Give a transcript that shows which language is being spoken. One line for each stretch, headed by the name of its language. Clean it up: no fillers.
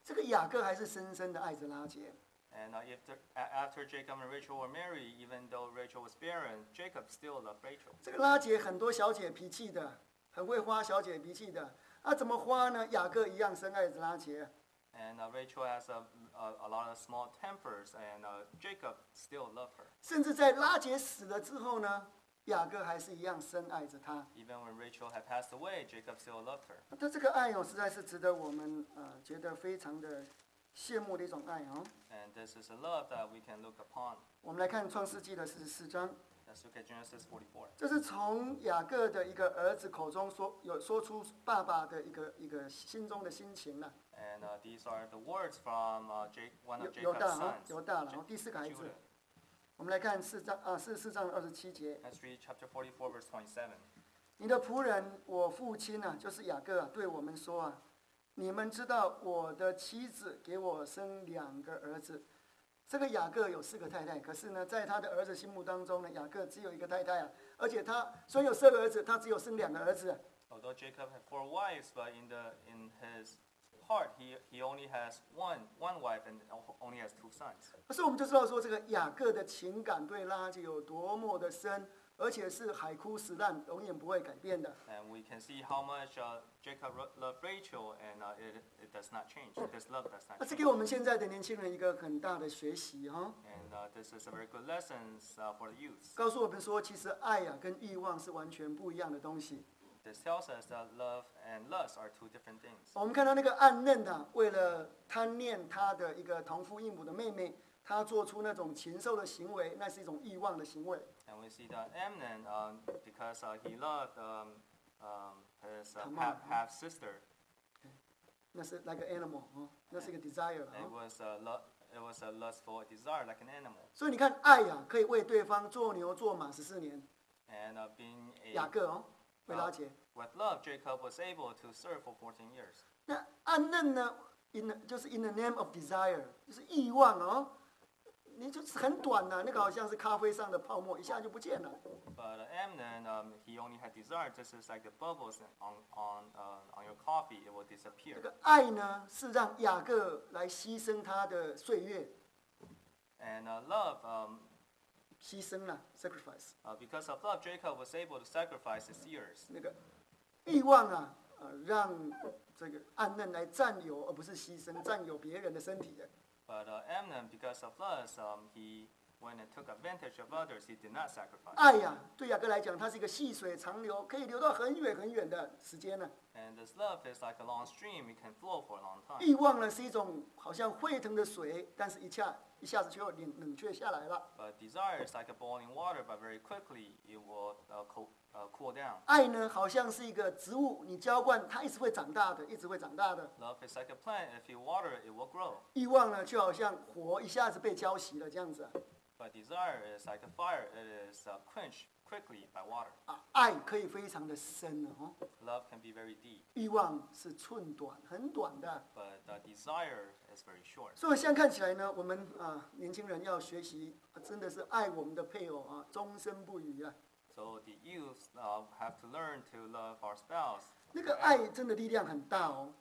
Chinese: 所以你看到，自从他娶了拉结之后啊，虽然拉结不会生孩子啊，这个雅各还是深深的爱着拉结。
English: And after Jacob and Rachel were married, even though Rachel was barren, Jacob still loved Rachel.
Chinese: 这个拉结很多小姐脾气的，很会发小姐脾气的。啊，怎么发呢？雅各一样深爱着拉结。
English: And Rachel has a lot of small tempers, and Jacob still loved her.
Chinese: 甚至在拉结死了之后呢？雅各还是一样深爱着她。
English: Even when Rachel had passed away, Jacob still loved her.
Chinese: 那这个爱哦，实在是值得我们觉得非常的羡慕的一种爱哦。
English: And this is a love that we can look upon.
Chinese: 我们来看创世纪的44章。
English: Let's look at Genesis 44.
Chinese: 这是从雅各的一个儿子口中说出爸爸的一个心中的心情了。
English: And these are the words from one of Jacob's sons.
Chinese: 犹大了，第四个孩子。我们来看44章27节。
English: Let's read chapter 44, verse 27.
Chinese: 你的仆人，我父亲啊，就是雅各啊，对我们说啊，你们知道我的妻子给我生两个儿子。这个雅各有四个太太，可是呢，在他的儿子心目当中呢，雅各只有一个太太啊，而且他虽然有四个儿子，他只有生两个儿子。
English: Although Jacob had four wives, but in his heart, he only has one wife and only has two sons.
Chinese: 可是我们就知道说，这个雅各的情感对拉结有多么的深，而且是海枯石烂，永远不会改变的。
English: And we can see how much Jacob loved Rachel, and it does not change. This love does not change.
Chinese: 这给我们现在的年轻人一个很大的学习哈。
English: And this is a very good lesson for the youth.
Chinese: 告诉我们说，其实爱呀跟欲望是完全不一样的东西。
English: This tells us that love and lust are two different things.
Chinese: 我们看到那个暗嫩的，为了贪恋他的一个同父异母的妹妹，他做出那种禽兽的行为，那是一种欲望的行为。
English: And we see that Amnon, because he loved his half sister.
Chinese: 那是
English: like an animal,
Chinese: 那是一个 desire.
English: It was a lustful desire, like an animal.
Chinese: 所以你看，爱呀，可以为对方做牛做马14年。
English: And being a
Chinese: 雅各哦。
English: With love, Jacob was able to serve for 14 years.
Chinese: 那暗嫩呢？就是
English: in the name of desire，
Chinese: 就是欲望哦。你就是很短呐、啊，那个好像是咖啡上的泡沫，一下就不见了。
English: But Amnon, he only had desire. This is like the bubbles on your coffee. It will disappear.
Chinese: 这个爱呢，是让雅各来牺牲他的岁月。
English: And love,
Chinese: 牺牲了 ，sacrifice。
English: Because of love, Jacob was able to sacrifice his years.
Chinese: 那个欲望啊，让这个暗嫩来占有，而不是牺牲占有别人的身体。
English: But Amnon, because of lust, he went and took advantage of others. He did not sacrifice.
Chinese: 爱呀，对雅各来讲，它是一个细水长流，可以流到很远很远的时间呢。
English: And this love is like a long stream. It can flow for a long time.
Chinese: 欲望呢，是一种好像沸腾的水，但是一下子就冷却下来了。
English: But desire is like a boiling water, but very quickly it will cool down.
Chinese: 爱呢，好像是一个植物，你浇灌它一直会长大的，一直会长大的。
English: Love is like a plant. If you water it, it will grow.
Chinese: 欲望呢，就好像火，一下子被浇熄了这样子。
English: But desire is like a fire. It is quenched quickly by water.
Chinese: 爱可以非常的深哦。
English: Love can be very deep.
Chinese: 欲望是寸短，很短的。
English: But the desire. It's very short.
Chinese: 所以现在看起来呢，我们年轻人要学习，真的是爱我们的配偶啊，终身不渝啊。
English: So the youths have to learn to love our spouse.
Chinese: 那个爱真的力量很大哦。